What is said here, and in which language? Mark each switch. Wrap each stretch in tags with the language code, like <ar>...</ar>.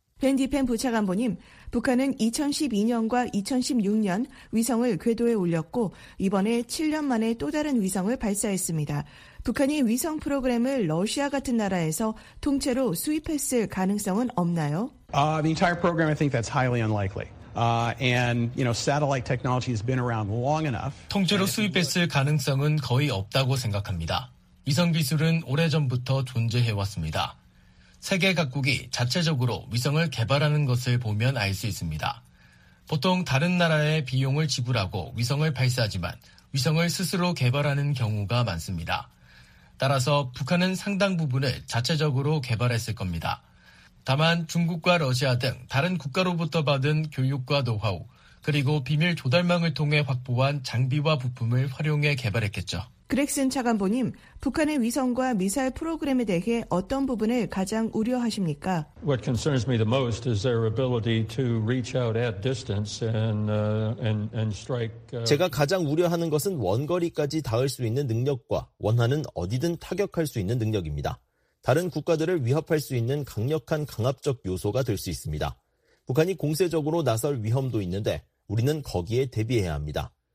<ko>벤디펜 부차관보님, 북한은 2012년과 2016년 위성을 궤도에 올렸고 이번에 7년 만에 또 다른 위성을 발사했습니다. 북한이 위성 프로그램을 러시아 같은 나라에서 통째로 수입했을 가능성은 없나요?</ko> <en>The entire program, I think that's highly unlikely. And you know, satellite technology has been around long enough.</en> <ko>통째로 수입했을 가능성은 거의 없다고 생각합니다. 위성 기술은 오래전부터 존재해 왔습니다. 세계 각국이 자체적으로 위성을 개발하는 것을 보면 알 수 있습니다. 보통 다른 나라의 비용을 지불하고 위성을 발사하지만 위성을 스스로 개발하는 경우가 많습니다. 따라서 북한은 상당 부분을 자체적으로 개발했을 겁니다. 다만 중국과 러시아 등 다른 국가로부터 받은 교육과 노하우, 그리고 비밀 조달망을 통해 확보한 장비와 부품을 활용해 개발했겠죠. 그렉슨 차관보님, 북한의 위성과 미사일 프로그램에 대해 어떤 부분을 가장 우려하십니까?</ko> <en>What concerns me the most is their ability to reach out at distance and strike.</en> <ko>제가 가장 우려하는 것은 원거리까지 닿을 수 있는 능력과 원하는 어디든 타격할 수 있는 능력입니다. 다른 국가들을 위협할 수 있는 강력한 강압적 요소가 될 수 있습니다. 북한이 공세적으로 나설 위험도 있는데 우리는 거기에 대비해야 합니다.</ko>